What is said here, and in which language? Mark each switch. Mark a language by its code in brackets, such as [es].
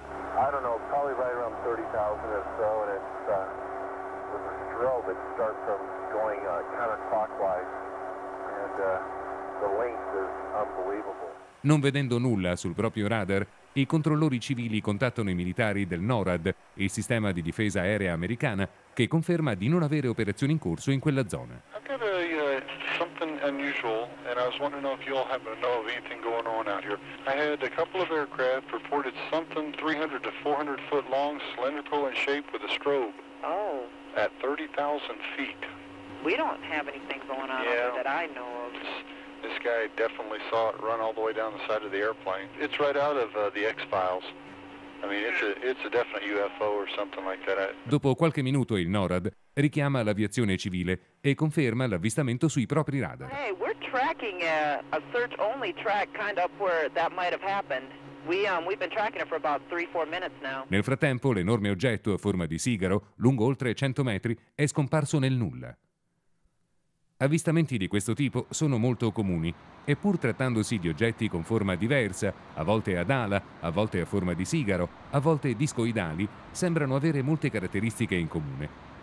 [en] I don't know, probably right around 30,000 or so, and it's with a drill that starts from going counterclockwise, and the length is unbelievable. [it] Non vedendo nulla sul proprio radar, i controllori civili contattano i militari del NORAD, il sistema di difesa aerea americana, che conferma di non avere operazioni in corso in quella zona. [en] Something unusual, and I was wondering if you all happen to know of anything going on out here. I had a couple of aircraft reported something 300 to 400 foot long, cylindrical in shape with a strobe. Oh. At 30,000 feet. We don't have anything going on over that I know of. This guy definitely saw it run all the way down the side of the airplane. It's right out of the X-Files. I mean, it's a definite UFO or something like that. [it] Dopo qualche minuto il NORAD richiama l'aviazione civile e conferma l'avvistamento sui propri radar. [en] Hey, we're tracking a search only track kind of up where that might have happened. We've been tracking it for about 3-4 minutes now. [it] Nel frattempo, l'enorme oggetto a forma di sigaro, lungo oltre 100 metri, è scomparso nel nulla. Avvistamenti di questo tipo sono molto comuni e pur trattandosi di oggetti con forma diversa, a volte ad ala, a volte a forma di sigaro, a volte discoidali, sembrano avere molte caratteristiche in comune.